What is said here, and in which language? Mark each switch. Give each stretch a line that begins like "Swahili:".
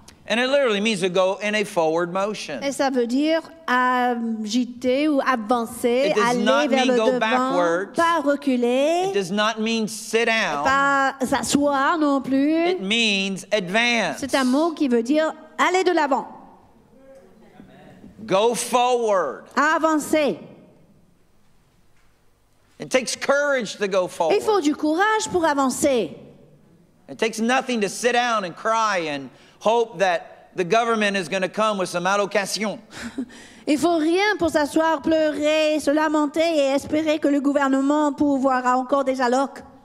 English: And it literally means to go in a forward motion.
French: Et ça veut dire agiter ou avancer, aller vers le devant.
English: It does not mean go backwards.
French: Pas reculer.
English: It does not mean sit down.
French: Pas s'asseoir non plus.
English: It means advance.
French: C'est un mot qui veut dire aller de l'avant.
English: Go forward.
French: Avancer.
English: It takes courage to go forward.
French: Il faut du courage pour avancer.
English: It takes nothing to sit down and cry and hope that the government is going to come with some allocation.
French: Il faut rien pour s'asseoir, pleurer, se lamenter et espérer que le gouvernement pourvoira encore des allocs.